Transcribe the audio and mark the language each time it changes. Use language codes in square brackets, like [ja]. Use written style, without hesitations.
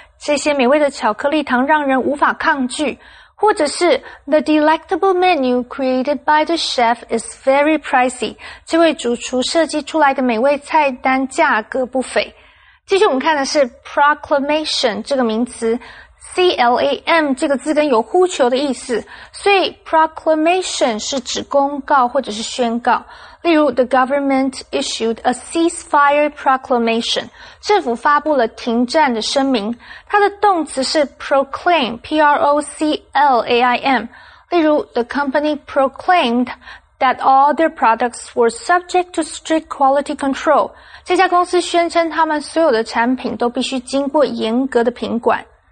[zh] 这些美味的巧克力糖让人无法抗拒。或者是 [en] ,the delectable menu created by the chef is very pricey。 [zh] 这位主厨设计出来的美味菜单价格不菲。继续我们看的是 proclamation 这个名词 ,C-L-A-M 这个字根有呼求的意思。所以 proclamation 是指公告或者是宣告。 [en] 例如 ,the government issued a ceasefire proclamation, [zh] 政府发布了停战的声明。它的动词是 proclaim, P-R-O-C-L-A-I-M。例如 [en] ,the company proclaimed that all their products were subject to strict quality control。 [zh] 这家公司宣称他们所有的产品都必须经过严格的品管。